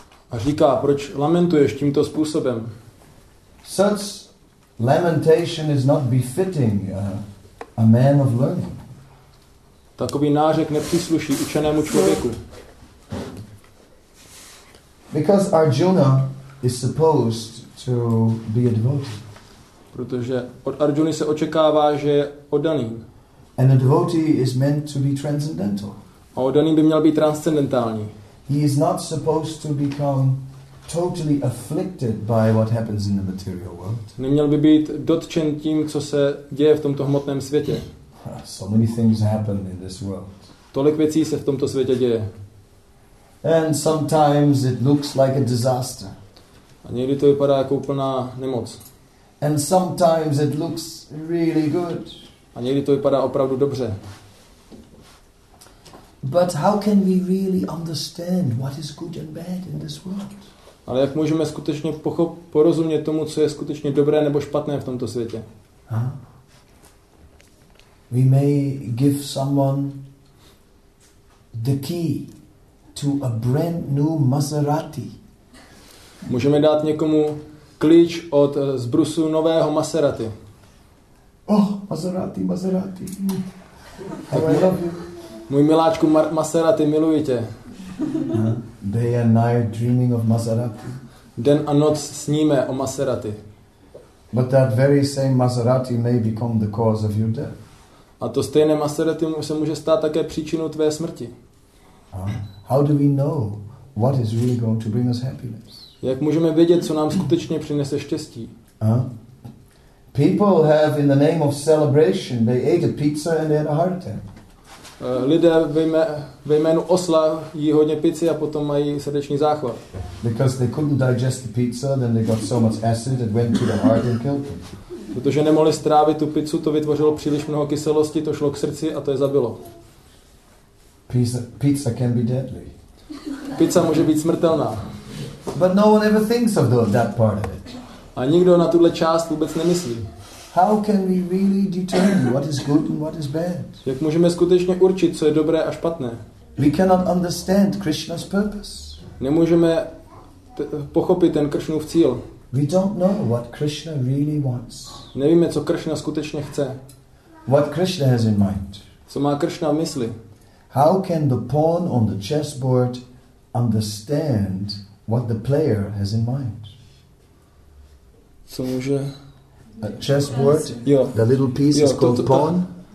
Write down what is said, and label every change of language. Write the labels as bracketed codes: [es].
[cs] A říká, proč lamentuješ tímto způsobem? [en] Such lamentation is not befitting a man of learning. [cs] Takový nářek nepřísluší učenému člověku. [en] Because Arjuna is supposed to be a devotee. [cs] Protože od Arjuny se očekává, že je oddaný. [en] And a devotee is meant to be transcendental. [cs] A oddaný by měl být transcendentální. [en] He is not supposed to become totally afflicted by what happens in the material world. [cs] Neměl by být dotčen tím, co se děje v tomto hmotném světě. [en] So many things happen in this world. [cs] Tolik věcí se v tomto světě děje. [en] And sometimes it looks like a disaster. [cs] A někdy to vypadá jako úplná nemoc. [en] And sometimes it looks really good. [cs] A někdy to vypadá opravdu dobře. [en] But how can we really understand what is good and bad in this world? [cs] Ale jak můžeme skutečně porozumět tomu, co je skutečně dobré nebo špatné v tomto světě? [en] We may give someone the key to a brand new Maserati. [cs] Můžeme dát někomu klíč od zbrusu nového Maserati. [en] Oh, Maserati, Maserati. How I love you. [cs] Můj miláčku Maserati, miluji tě. [en] Day and night dreaming of Maserati. [cs] Den a noc sníme o Maserati. [en] But that very same Maserati may become the cause of your death. [cs] A to stejné Maserati se může stát také příčinou tvé smrti. [en] How do we know what is really going to bring us happiness? [cs] Jak můžeme vědět, co nám skutečně přinese štěstí? [en] People have in the name of celebration, they ate a pizza and they had a heart attack. [cs] Lidé ve jménu osla jí hodně pizzy a potom mají srdeční záchvat. [en] Because they couldn't digest the pizza, then they got so much acid it went to the heart and killed them. [cs] Protože nemohli strávit tu pizzu, to vytvořilo příliš mnoho kyselosti, to šlo k srdci a to je zabilo. [en] Pizza can be deadly. [cs] Pizza může být smrtelná. [en] But no one ever thinks of that part of it. [cs] A nikdo na tuhle část vůbec nemyslí. [en] How can we really determine what is good and what is bad? [cs] Jak můžeme skutečně určit, co je dobré a špatné? [en] We cannot understand Krishna's purpose. [cs] Nemůžeme pochopit ten Krishnův cíl. [en] We don't know what Krishna really wants. [cs] Nevíme, co Krishna skutečně chce. [en] What Krishna has in mind. [cs] Co má Krishna v mysli? [en] How can the pawn on the chessboard understand what the player has in mind? [cs] Co může [en] a chessboard, the little piece is called pawn.